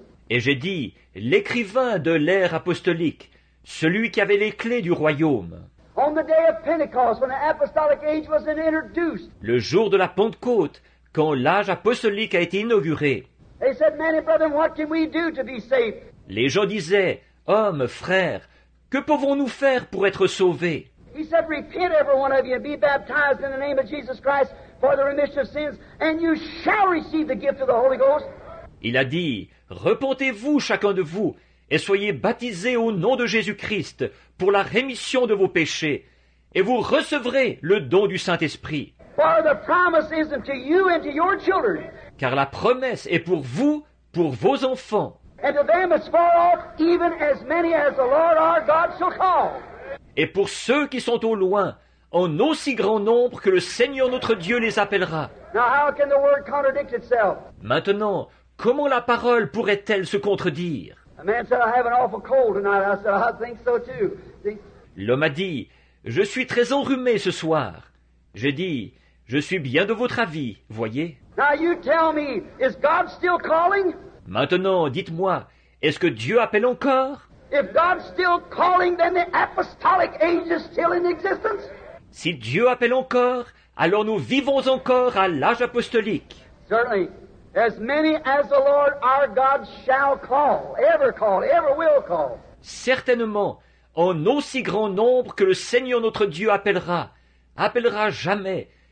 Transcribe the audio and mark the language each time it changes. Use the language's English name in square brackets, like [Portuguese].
[French] Et j'ai dit, l'écrivain de l'ère apostolique, celui qui avait les clés du royaume. [English] On the day of Pentecost, when the apostolic age was introduced. [French] Le jour de la Pentecôte, quand l'âge apostolique a été inauguré. [English] They said, men and brethren, what can we do to be saved? [French] Les gens disaient, hommes, frères, que pouvons-nous faire pour être sauvés? [English] He said, repent, every one of you, and be baptized in the name of Jesus Christ for the remission of sins, and you shall receive the gift of the Holy Ghost. [French] Il a dit, repentez-vous chacun de vous, et soyez baptisés au nom de Jésus-Christ pour la rémission de vos péchés, et vous recevrez le don du Saint-Esprit. [English] For the promise is to you and to your children. [French] Car la promesse est pour vous, pour vos enfants. [English] And to them as far off, even as many as the Lord our God shall call. [French] Et pour ceux qui sont au loin, en aussi grand nombre que le Seigneur notre Dieu les appellera. [English] Now how can the word contradict itself? [French] Maintenant, comment la parole pourrait-elle se contredire? [English] A man said, I have an awful cold tonight. I said, I think so too. [French] L'homme a dit, je suis très enrhumé ce soir. J'ai dit, je suis bien de votre avis, voyez. [English] Now you tell me, is God still calling? [French] Maintenant, dites-moi, est-ce que Dieu appelle encore? [English] If God's still calling, then the apostolic age is still in existence. [French] Si Dieu appelle encore, alors nous vivons encore à l'âge apostolique. [English] Certainly, as many as the Lord our God shall call, ever will call. [French] Certainement, en aussi grand nombre que le Seigneur notre Dieu appellera jamais.